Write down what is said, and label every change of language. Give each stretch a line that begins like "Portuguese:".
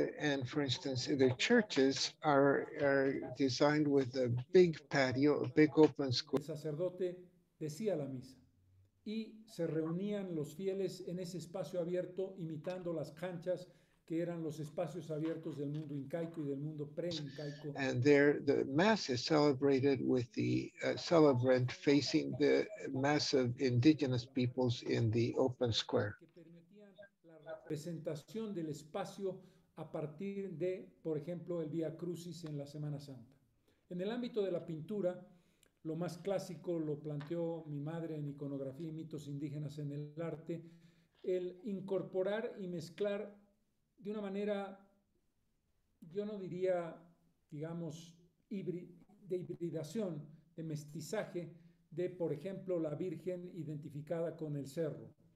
English: And for instance, their churches are designed with a big patio, a big open square.
Spanish: El sacerdote decía la misa y se reunían los fieles en ese espacio abierto imitando las canchas que eran los espacios abiertos del mundo incaico y del mundo pre-incaico.
English: And there the mass is celebrated with the celebrant facing the mass of indigenous peoples in the open square.
Spanish: Que permitían la representación del espacio a partir de, por ejemplo, el Vía Crucis en la Semana Santa. En el ámbito de la pintura, lo más clásico lo planteó mi madre en iconografía y mitos indígenas en el arte, el incorporar y mezclar de una manera, yo no diría, digamos, de hibridación, de mestizaje, de, por ejemplo, la Virgen identificada con el cerro.